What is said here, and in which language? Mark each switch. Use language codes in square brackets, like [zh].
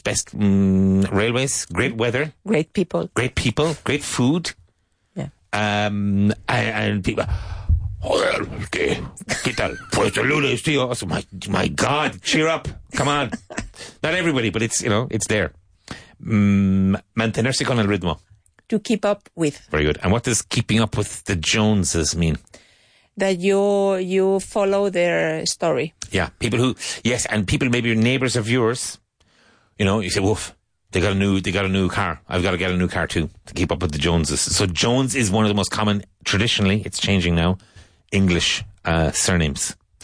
[en] Best railways. Great weather. Great people. Great people. Great food. Yeah. And people... [es] Joder, ¿qué tal? Pues el lunes, tío. [en] My God. Cheer up. Come on. Not everybody, but it's, you know, it's there. [es] Mantenerse con el ritmo. [en] To keep up with. Very good. And what does keeping up with the Joneses mean? That you follow their story. Yeah, people who, yes, and people, maybe your neighbors of yours, you know, you say, woof, They got a new car. I've got to get a new car too to keep up with the Joneses. So Jones is one of the most common, traditionally, it's changing now, English surnames.